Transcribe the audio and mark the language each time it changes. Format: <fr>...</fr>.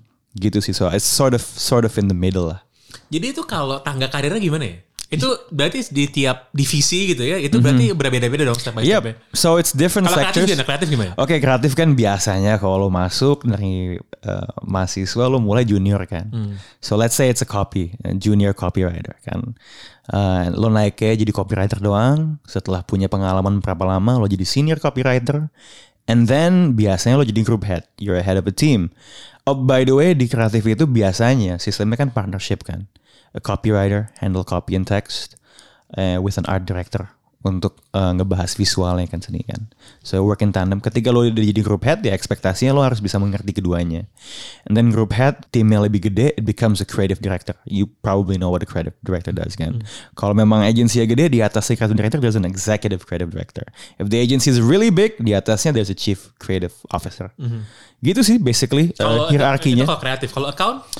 <id>Gitu sih,</id> <en>so it's sort of in the middle lah.</en> <id>Jadi itu kalau tangga karirnya gimana ya? Itu berarti di tiap divisi gitu ya, itu berarti berbeda-beda dong</id> <en>step by step. So it's different</en> <id>kalau</id> <en>sectors.</en> <id>Kalau kreatif gimana? Oke, kreatif kan biasanya kalau lo masuk dari mahasiswa lo mulai junior kan.</id> <en>So let's say it's a copy, junior copywriter kan.</en> <id>Lo naiknya jadi copywriter doang, setelah punya pengalaman berapa lama lo jadi senior copywriter.</id> <en>And then</en> <id>biasanya lo jadi</id> <en>group head, you're a head of a team. Oh, by the way,</en> <id>di kreatif itu biasanya sistemnya kan partnership kan.</id> <en>A copywriter handle copy and text with an art director</en> <id>untuk ngebahas visualnya kan seni kan.</id> <en>So work in tandem.</en> <id>Ketika lo udah jadi group head, ya ekspektasinya lo harus bisa mengerti keduanya.</id> <en>And then group head,</en> <id>timnya lebih gede,</id> <en>it becomes a creative director. You probably know what a creative director does kan.</en> <id>Kalau memang agensinya gede, di atasnya</id> <en>creative director, there's an executive creative director. If the agency is really big,</en> <id>di atasnya</id> <en>there's a chief creative officer.</en> <id>Gitu sih basically hierarkinya. Kalau kreatif, kalau account?</id>